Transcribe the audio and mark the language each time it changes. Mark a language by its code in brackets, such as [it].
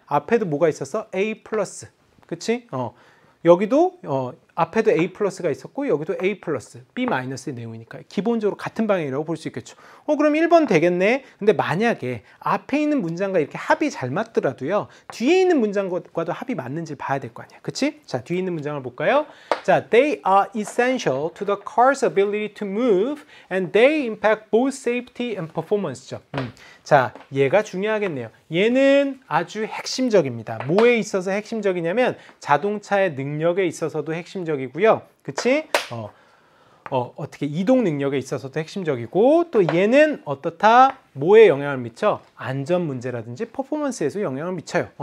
[ko] 앞에도 뭐가 있었어? A 플러스. 그치? 여기도 앞에도 A 플러스가 있었고 여기도 A 플러스. B 마이너스의 내용이니까 기본적으로 같은 방향이라고 볼 수 있겠죠. 그럼 1번 되겠네. 근데 만약에 앞에 있는 문장과 이렇게 합이 잘 맞더라도요. 뒤에 있는 문장과도 합이 맞는지 봐야 될 거 아니야. 그치? 자, 뒤에 있는 문장을 볼까요? [en] 자, They are essential to the car's ability to move and they impact both safety and performance죠. [ko] 자, 얘가 중요하겠네요. 얘는 아주 핵심적입니다. 뭐에 있어서 핵심적이냐면 자동차의 능력에 있어서도 핵심적이고요. 그치? 어떻게 이동 능력에 있어서도 핵심적이고 또 얘는 어떻다? 뭐에 영향을 미쳐? 안전 문제라든지 퍼포먼스에서 영향을 미쳐요.